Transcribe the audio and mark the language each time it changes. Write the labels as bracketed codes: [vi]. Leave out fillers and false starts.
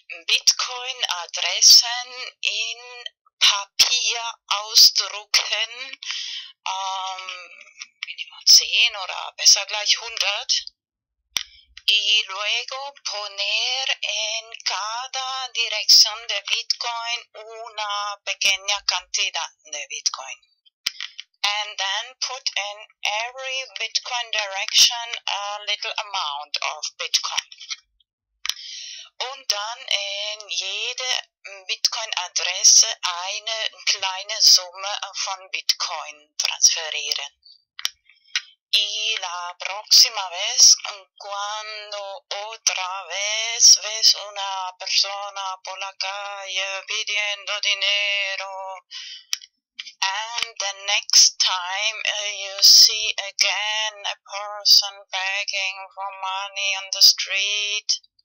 [de] Bitcoin Adressen in Papier ausdrucken, minimum 10 oder besser gleich 100. [es] Y luego poner en cada dirección de Bitcoin una pequeña cantidad de Bitcoin. [en] And then put in every Bitcoin direction a little amount of Bitcoin. [de] Und dann in jede Bitcoin-Adresse eine kleine Summe von Bitcoin transferieren. [es] Y la próxima vez, cuando otra vez ves una persona por la calle pidiendo dinero, [en] and the next time you see again a person begging for money on the street.